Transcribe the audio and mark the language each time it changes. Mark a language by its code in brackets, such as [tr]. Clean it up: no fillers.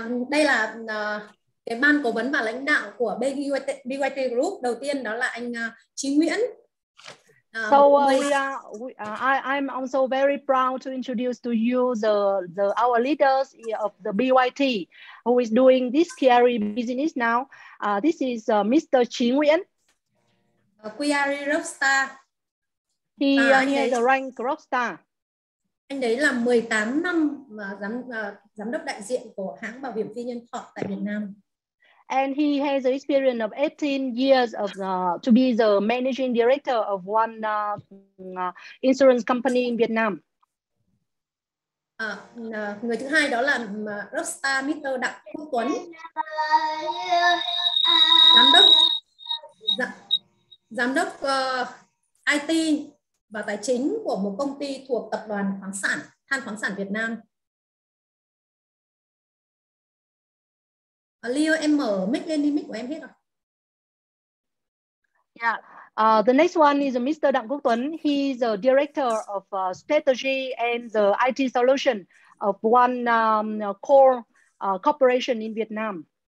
[vi] Đây là cái ban cố vấn và lãnh đạo của BYT Group. Đầu tiên đó là anh Chí Nguyễn. [en] I'm also very proud to introduce to you the our leaders of the BYT who is doing this Kiari business now. This is Mr. Chí Nguyễn. Kiari Rockstar. He has the rank Rockstar. [vi] Anh đấy là 18 năm giám đốc đại diện của hãng bảo hiểm tư nhân Thọ tại Việt Nam. [en] And he has the experience of 18 years of to be the managing director of one insurance company in Vietnam. [vi] Người thứ hai đó là Rockstar Mr. Đặng Quốc Tuấn, giám đốc IT và tài chính của một công ty thuộc tập đoàn khoáng sản than khoáng sản Việt Nam. Leo, em mở mic lên đi, mic của em hết rồi. [en] Yeah. The next one is Mr. Đặng Quốc Tuấn. He's the director of strategy and the IT solution of one core corporation in Vietnam.